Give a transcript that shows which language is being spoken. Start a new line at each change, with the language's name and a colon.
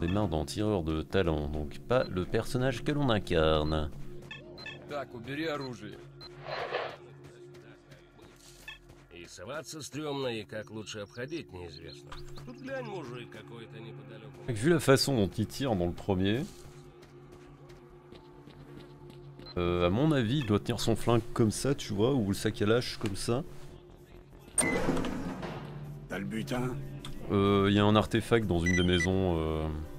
French: D'un tireur de talent, donc pas le personnage que l'on incarne.
Russian: Так, убери оружие. И соваться стрёмно, и как лучше обходить, неизвестно. Тут глянь, мужик какой-то неподалёку.
French: Vu la façon dont il tire dans le premier, à mon avis, il doit tenir son flingue comme ça, tu vois, ou le sac à lâche comme ça. T'as le butin ? Y a un artefact dans une des maisons.